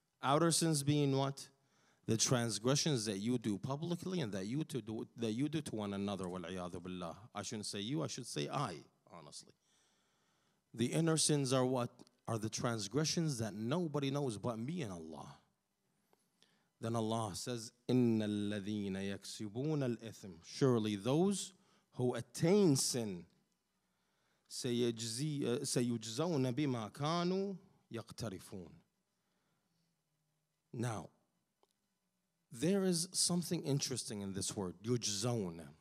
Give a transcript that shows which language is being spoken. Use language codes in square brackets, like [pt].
[en] Outer sins being what? The transgressions that you do publicly and that you do to one another. [ar] وَالْعِيَاذُ بِاللَّهِ. [en] I shouldn't say you, I should say I, honestly. The inner sins are what? Are the transgressions that nobody knows but me and Allah. Then Allah says, [ar] إِنَّ الَّذِينَ يَكْسِبُونَ الْإِثْمِ. [en] Surely those who attain sin, [ar] سَيُجْزَوْنَ بِمَا كَانُوا يَقْتَرِفُونَ. [en] Now, there is something interesting in this word, يُجْزَوْنَ.